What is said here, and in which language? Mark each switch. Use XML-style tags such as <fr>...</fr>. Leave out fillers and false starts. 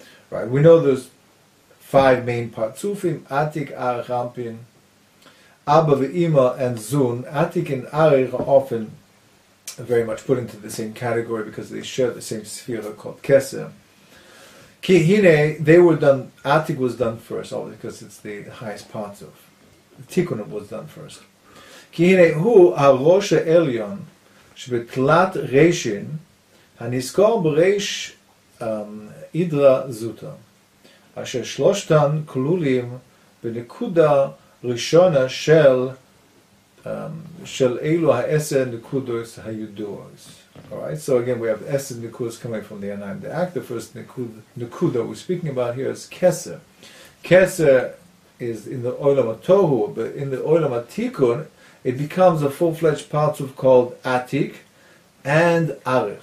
<en>Right, we know there's five main partsufim, Atik, Arich, Ampin, Abba V'Ima, and Zun. Atik and Arich are often very much put into the same category because they share the same sphere called Keser. Ki Hine, they were done, Atik was done first, obviously, because it's the highest partsuf. Tikkun was done first.</en> <he>כי הנה הוא הראש העליון שבתלת ראשין הנזכור בראש אידרה זוטה אשר שלושתן כלולים בנקודה ראשונה של של אלו העשר נקודות הידועות.</he> <en>Alright, so again we have</en> <he>עשר נקודות</he> <en>coming from the Anayim. The act, the first נקודה we're speaking about here is Keser. Keser is in the Olam HaTohu, but in the Olam HaTikun it becomes a full-fledged partsuf called Atik and Arich.</en>